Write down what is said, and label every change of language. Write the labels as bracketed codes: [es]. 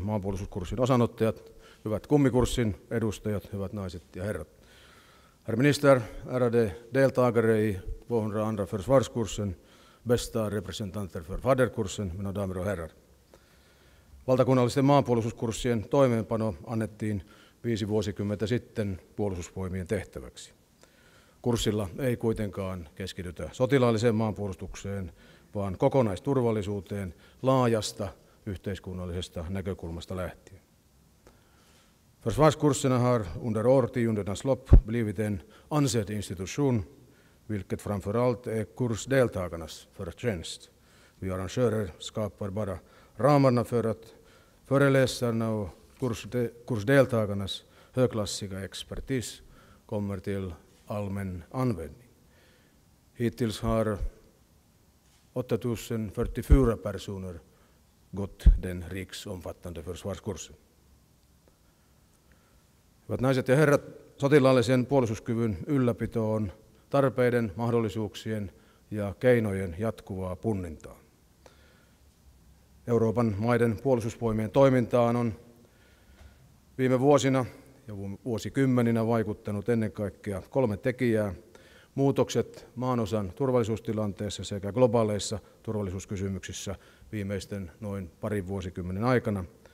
[fi] maanpuolustuskurssin osanottajat, hyvät kummikurssin edustajat, hyvät naiset ja herrat. [sv] Herr minister, ärade deltagare i 202 försvarskursen, bästa representanter för faderkursen, mina damer och herrar. [fi] Valtakunnallisten maanpuolustuskurssien toimeenpano annettiin 5 vuosikymmentä sitten puolustusvoimien tehtäväksi. Kurssilla ei kuitenkaan keskitytä sotilaalliseen maanpuolustukseen, vaan kokonaisturvallisuuteen laajasta yhteiskunnallisesta näkökulmasta lähtien. [sv] Försvarskurserna har under årtiondenas lopp blivit en ansedd institution, vilket framförallt är kursdeltagarnas förtjänst. Vi arrangörer skapar bara ramarna för att föreläsarna och kursdeltagarnas högklassiga expertis kommer till allmän användning. Hittills har 8044 personer gått den riksomfattande försvarskursen. [fi] Hyvät naiset ja herrat, sotilaallisen puolustuskyvyn ylläpito on tarpeiden, mahdollisuuksien ja keinojen jatkuvaa punnintaa. Euroopan maiden puolustusvoimien toimintaan on viime vuosina ja vuosikymmeninä vaikuttanut ennen kaikkea kolme tekijää: muutokset maanosan turvallisuustilanteessa sekä globaaleissa turvallisuuskysymyksissä viimeisten noin parin vuosikymmenen aikana,